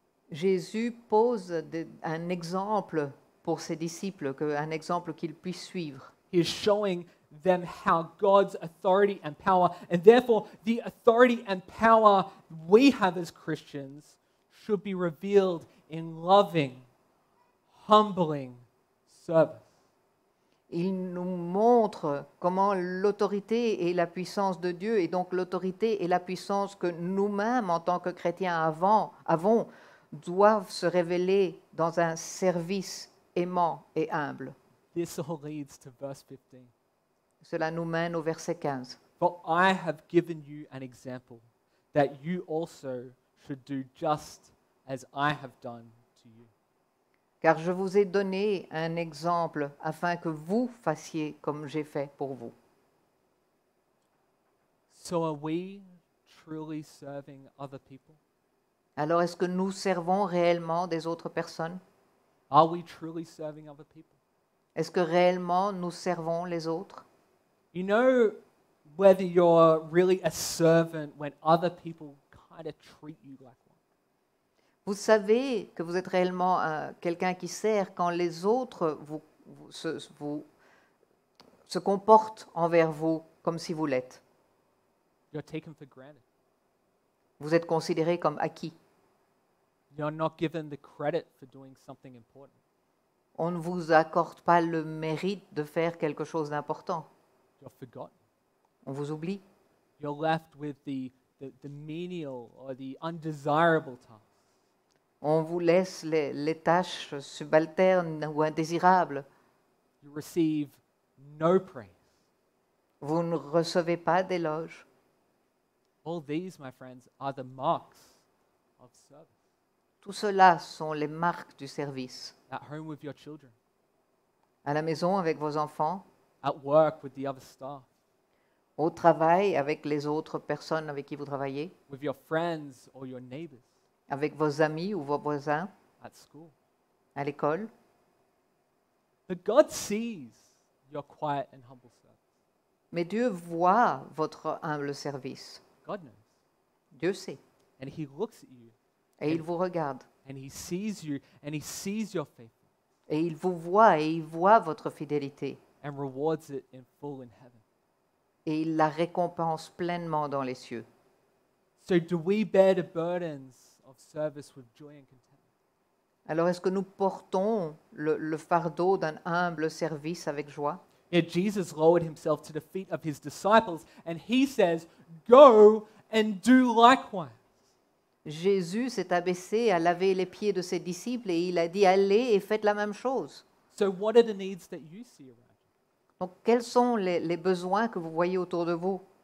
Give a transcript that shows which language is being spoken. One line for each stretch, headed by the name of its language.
French: Jésus pose un exemple pour ses disciples, un exemple qu'ils puissent suivre.
English: He is showing them how God's authority and power, and therefore the authority and power we have as Christians, should be revealed in loving, humbling service.
French: Il nous montre comment l'autorité et la puissance de Dieu, et donc l'autorité et la puissance que nous-mêmes en tant que chrétiens avons, doivent se révéler dans un service aimant et humble.
English: This all leads to verse 15.
French: Cela nous mène au verset 15.
English: For I have given you an example that you also should do just as I have done.
French: Car je vous ai donné un exemple afin que vous fassiez comme j'ai fait pour vous.
English: So are we truly serving other people?
French: Alors est-ce que nous servons réellement des autres personnes?
English: Are we truly serving other people?
French: Est-ce que réellement nous servons les autres?
English: You know whether you're really a servant when other people kind of treat you like.
French: Vous savez que vous êtes réellement quelqu'un qui sert quand les autres se comportent envers vous comme si vous l'êtes.
English: You're taken for granted.
French: Vous êtes considéré comme acquis.
English: You're not given the credit for doing something important.
French: On ne vous accorde pas le mérite de faire quelque chose d'important.
English: You're forgotten.
French: On vous oublie.
English: You're left with the menial or the undesirable task.
French: On vous laisse les tâches subalternes ou indésirables.
English: You receive no praise.
French: Vous ne recevez pas d'éloge.
English: All these, my friends, are the marks of service.
French: Tout cela sont les marques du service.
English: At home with your children.
French: À la maison avec vos enfants.
English: At work with the other staff.
French: Au travail avec les autres personnes avec qui vous travaillez.
English: With your friends or your neighbors.
French: Avec vos amis ou vos voisins,
English: at school.
French: À l'école.
English: But God sees your quiet and humble service.
French: Mais Dieu voit votre humble service.
English: God knows.
French: Dieu sait.
English: And he looks at you.
French: Et il vous regarde.
English: And he sees you and he sees your faith.
French: Et il vous voit et il voit votre fidélité.
English: And rewards it in full in heaven.
French: Et il la récompense pleinement dans les cieux.
English: So do we bear the burdens? Service with joy and contentment.
French: Alors, est-ce que nous portons le fardeau d'un humble service avec joie?
English: Yet Jesus lowered himself to the feet of his disciples, and he says, "Go and do likewise."
French: Jésus s'est abaissé à laver les pieds de ses disciples, et il a dit, "Allez et faites la même chose."
English: So, what are the needs that you see around you?
French: Donc, quels sont les besoins que vous voyez autour de vous?